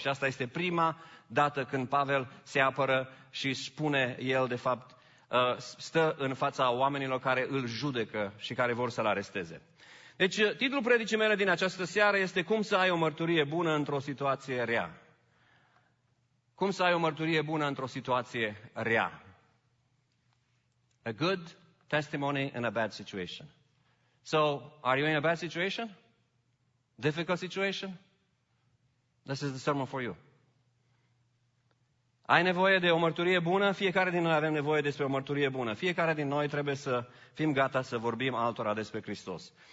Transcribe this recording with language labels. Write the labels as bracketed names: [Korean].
[Romanian] Și asta este prima dată când Pavel se apără și spune el, de fapt, stă în fața oamenilor care îl judecă și care vor să-l aresteze. Deci, titlul predicii mele din această seară este cum să ai o mărturie bună într-o situație rea. Cum să ai o mărturie bună într-o situație rea. [English] A good testimony in a bad situation. So, are you in a bad situation? Difficult situation? This is the sermon for you. [Romanian] Ai nevoie de o mărturie bună? Fiecare din noi avem nevoie despre o mărturie bună. Fiecare din noi trebuie să fim gata să vorbim altora despre Hristos.